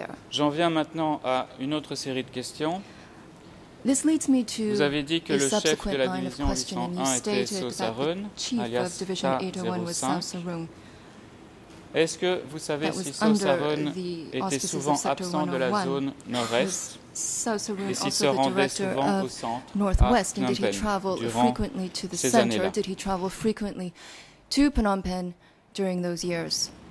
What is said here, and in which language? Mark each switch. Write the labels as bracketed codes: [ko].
[fr] J'en viens maintenant à une autre série de questions. [en] This leads me to a subsequent line of questioning. You stated that the chief of Division 801 was Sosa-Run. [fr] Est-ce que vous savez si Sosa-Run était souvent absent de la zone nord-est et s'il se rendait souvent au centre à Phnom Penh durant ces années-là? [en] Did he travel frequently to Phnom Penh during those years?